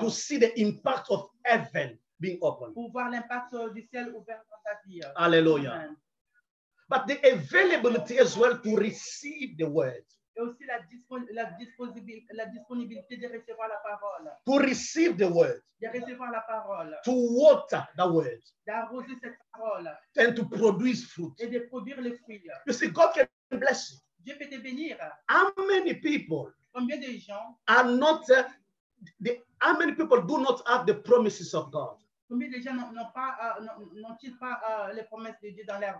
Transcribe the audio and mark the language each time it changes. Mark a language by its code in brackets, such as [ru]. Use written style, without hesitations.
[en] to see the impact of heaven being opened. [fr] Pour voir l'impact du ciel ouvert dans ta vie. Hallelujah. Amen. [en] but the availability as well to receive the word. [fr] Et aussi la disponibilité de recevoir la parole. [en] To receive the word. [fr] De recevoir la parole. [en] To water the word. [fr] D'arroser cette parole. [en] And to produce fruit. [fr] Et de produire les fruits. [en] You see, God can bless you. [fr] Dieu peut te bénir. [en] How many people? [fr] Combien de gens? [en] Are not how many people do not have the promises of God? [fr] Combien de gens n'ont-ils pas les promesses de Dieu dans leur vie?